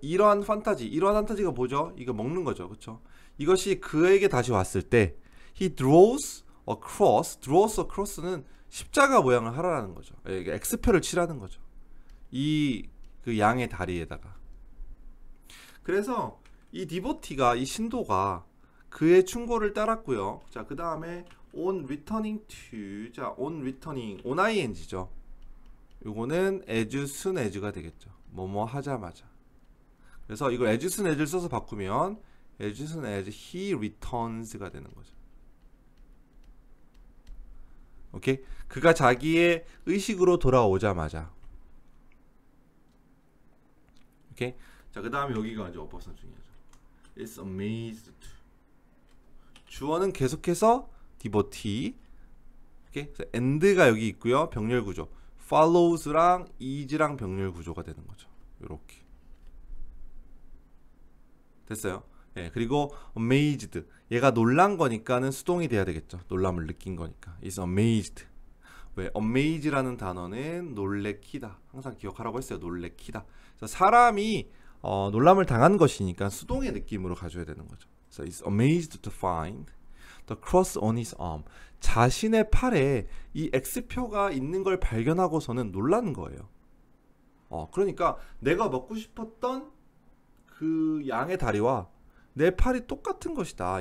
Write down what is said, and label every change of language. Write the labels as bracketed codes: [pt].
[ko] 이러한 판타지, 이러한 판타지가 뭐죠? 이거 먹는 거죠, 그렇죠? 이것이 그에게 다시 왔을 때, [en] he draws a cross. [ko] draws a cross는 십자가 모양을 하라는 거죠. 이게 X표를 칠하는 거죠. 이그 양의 다리에다가. 그래서 이 디보티가, 이 신도가 그의 충고를 따랐고요. 자, 그 다음에 [en] on returning to, [ko] 자, on returning, on ing죠. 요거는 as soon as가 되겠죠. 뭐뭐 하자마자. 그래서 이거 as soon as를 써서 바꾸면 [en] as soon as he returns [ko] 가 되는 거죠. 오케이? 그가 자기의 의식으로 돌아오자마자. 오케이? 자, 그 다음에 여기가 이제 어퍼선 중요하죠. [en] It's amazed. [ko] 주어는 계속해서 devotee. 오케이? 그래서 and가 여기 있고요. 병렬 구조. follows랑 is랑 병렬 구조가 되는 거죠. 요렇게. 됐어요? 예, 그리고 amazed. 얘가 놀란 거니까는 수동이 돼야 되겠죠. 놀람을 느낀 거니까. is amazed. 왜? amaze라는 단어는 놀래키다. 항상 기억하라고 했어요. 놀래키다. 사람이 놀람을 당한 것이니까 수동의 느낌으로 가져야 되는 거죠. [en] So he's amazed to find the cross on his arm. [ko] 자신의 팔에 이 X표가 있는 걸 발견하고서는 놀란 거예요. 그러니까 내가 먹고 싶었던 그 양의 다리와 내 팔이 똑같은 것이다.